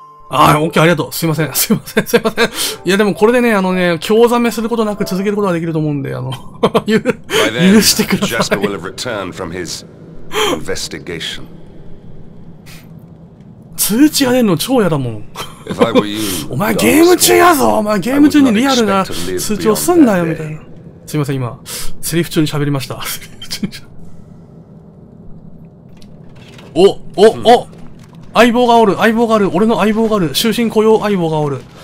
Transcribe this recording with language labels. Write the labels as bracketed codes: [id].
[ja] ああ、オッケー、ありがとう。すいません。すいません。すいません。いや、でもこれでね、あのね、興ざめすることなく続けることができると思うんで、あの、許してください。 [en] Jasper will have returned from his investigation. [ja] 通知が出るの超嫌だもん。 [en] If I were you, [ja] お前ゲーム中やぞ!お前ゲーム中にリアルな通知をすんなよ、みたいな。すいません、今、セリフ中に喋りました。お、お、お!相棒がおる、相棒がある、俺の相棒がある、終身雇用相棒がおる。